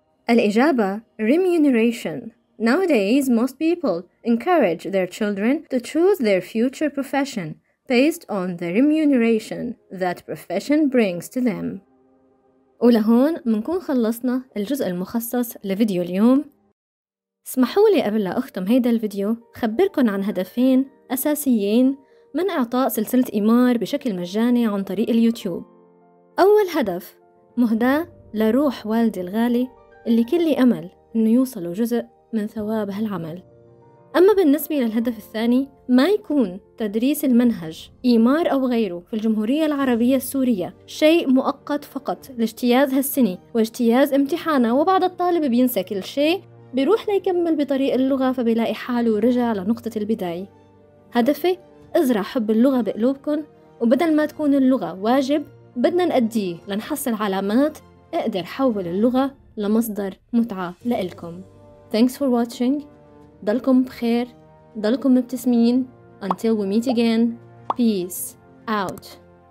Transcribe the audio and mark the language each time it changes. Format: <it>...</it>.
<ar>الإجابة. Remuneration.</ar> <en>Nowadays, most people encourage their children to choose their future profession based on the remuneration that profession brings to them.</en> <ar>ولهون منكون خلصنا الجزء المخصص لفيديو اليوم. اسمحوا لي قبل لا أختم هيدا الفيديو خبركن عن هدفين أساسيين من إعطاء سلسلة إمار بشكل مجاني عن طريق اليوتيوب. أول هدف مهداة لروح والدي الغالي اللي كل لي أمل إنه يوصلوا جزء من ثواب هالعمل. أما بالنسبة للهدف الثاني ما يكون تدريس المنهج إيمار أو غيره في الجمهورية العربية السورية شيء مؤقت فقط لاجتياز هالسنة واجتياز امتحانه وبعد الطالب بينسى كل شيء بيروح ليكمل بطريق اللغة فبيلاقي حاله ورجع لنقطة البداية. هدفي ازرع حب اللغة بقلوبكن وبدل ما تكون اللغة واجب بدنا نأديه لنحصل علامات اقدر حول اللغة لمصدر متعة لإلكم.</ar> <en>Thanks for watching.</en> <ar>ضلكم بخير. ضلكم مبتسمين.</ar> <en>Until we meet again. Peace out.</en>